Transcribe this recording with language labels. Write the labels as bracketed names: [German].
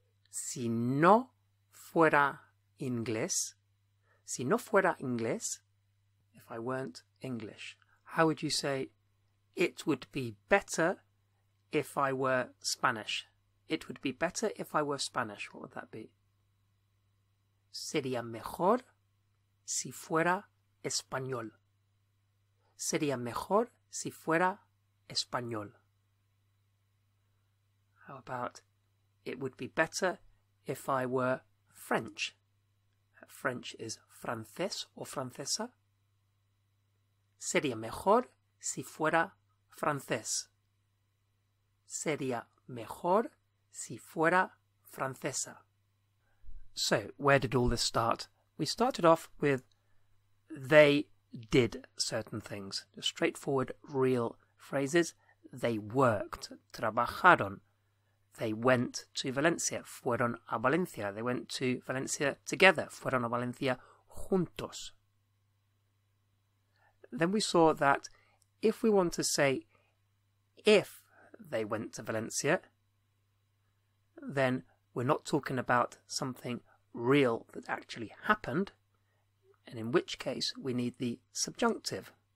[Spanish] Si no fuera inglés. Si no fuera inglés. [English] If I weren't English. How would you say, it would be better if I were Spanish? It would be better if I were Spanish. What would that be? [Spanish] Sería mejor si fuera español. Sería mejor si fuera español. [English] How about, it would be better if I were French? French is francés or francesa. [Spanish] Sería mejor si fuera francés. Sería mejor si fuera francesa. [English] So, where did all this start? We started off with they did certain things. Just straightforward, real phrases. They worked. Trabajaron. They went to Valencia. [Spanish] Fueron a Valencia. [English] They went to Valencia together. [Spanish] Fueron a Valencia juntos. [English] Then we saw that if we want to say if they went to Valencia, then we're not talking about something real that actually happened, and in which case we need the subjunctive.